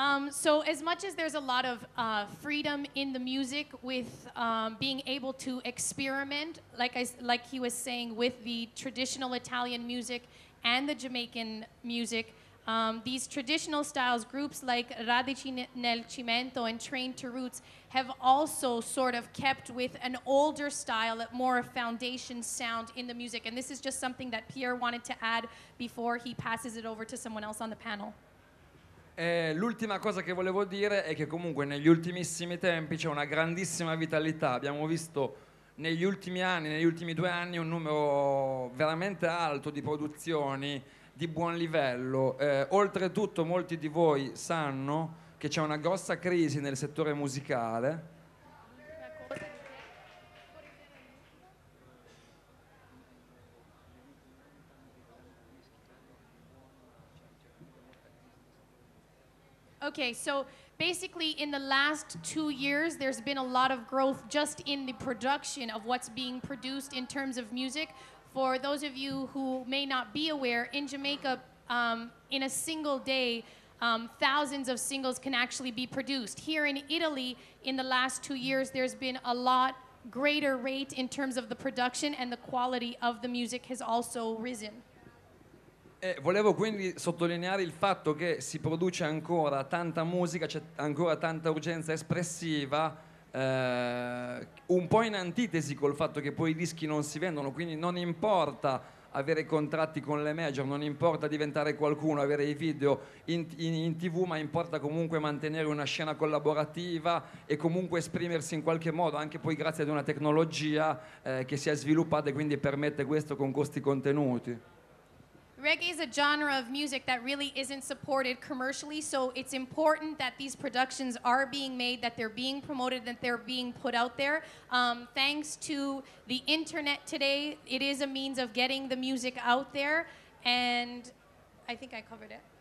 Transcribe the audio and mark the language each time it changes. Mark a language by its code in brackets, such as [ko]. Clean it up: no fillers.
[en] So as much as there's a lot of freedom in the music with being able to experiment, like he was saying, with the traditional Italian music and the Jamaican music, these traditional styles, groups like Radici nel Cimento and Train to Roots, have also sort of kept with an older style, a more foundation sound in the music. And this is just something that Pierre wanted to add before he passes it over to someone else on the panel. [it] L'ultima cosa che volevo dire è che comunque negli ultimissimi tempi c'è una grandissima vitalità, abbiamo visto negli ultimi anni, negli ultimi due anni un numero veramente alto di produzioni di buon livello, oltretutto molti di voi sanno che c'è una grossa crisi nel settore musicale. [en] Okay, so basically in the last 2 years there's been a lot of growth just in the production of what's being produced in terms of music. For those of you who may not be aware, in Jamaica, in a single day, thousands of singles can actually be produced. Here in Italy, in the last 2 years, there's been a lot greater rate in terms of the production, and the quality of the music has also risen. [it] Volevo quindi sottolineare il fatto che si produce ancora tanta musica, c'è ancora tanta urgenza espressiva, un po' in antitesi col fatto che poi i dischi non si vendono, quindi non importa avere contratti con le major, non importa diventare qualcuno, avere i video in TV, ma importa comunque mantenere una scena collaborativa e comunque esprimersi in qualche modo, anche poi grazie ad una tecnologia che si è sviluppata e quindi permette questo con costi contenuti. [en] Reggae is a genre of music that really isn't supported commercially, so it's important that these productions are being made, that they're being promoted, that they're being put out there. Thanks to the internet today, it is a means of getting the music out there, and I think I covered it.